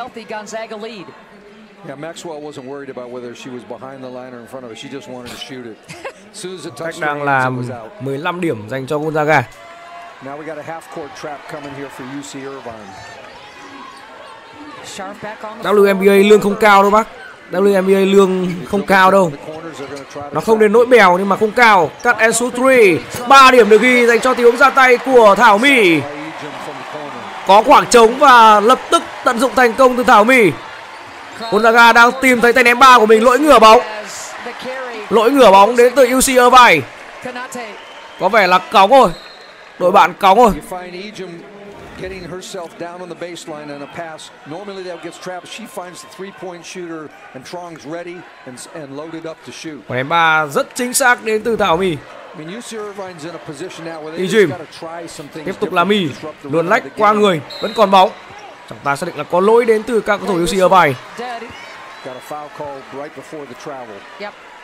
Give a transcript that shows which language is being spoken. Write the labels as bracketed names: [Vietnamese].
[English] Yeah, Maxwell wasn't worried about whether she was behind the line or in front of it. She just wanted to shoot it. [Vietnamese] Cách đang là 15 điểm dành cho Gonzaga. [English] Now we got a half court trap coming here for UC Irvine. [Vietnamese] WNBA lương không cao đâu bác. WNBA lương không cao đâu. Nó không đến nỗi bèo nhưng mà không cao. [English] Cut and shoot 3. [Vietnamese] 3 điểm được ghi dành cho tình huống ra tay của Thảo My. Có khoảng trống và lập tức tận dụng thành công từ Thảo My. Gonzaga đang tìm thấy tay ném 3 của mình. Lỗi ngửa bóng. Lỗi ngửa bóng đến từ UC Irvine. Có vẻ là cóng rồi. Đội bạn cóng rồi. [English] getting herself down on the baseline and a pass. Normally that gets trapped. She finds the three-point shooter and Trong's ready and loaded up to shoot. [Vietnamese] Quả ném ba rất chính xác đến từ Thảo My. [English] I mean, UC Irvine's in a position now where they've got to try something. [Vietnamese] Tiếp tục là My luồn lách qua người, vẫn còn bóng. Chúng ta xác định là có lỗi đến từ các cầu thủ UC Irvine. [English] Got a foul call right before the travel. Yep.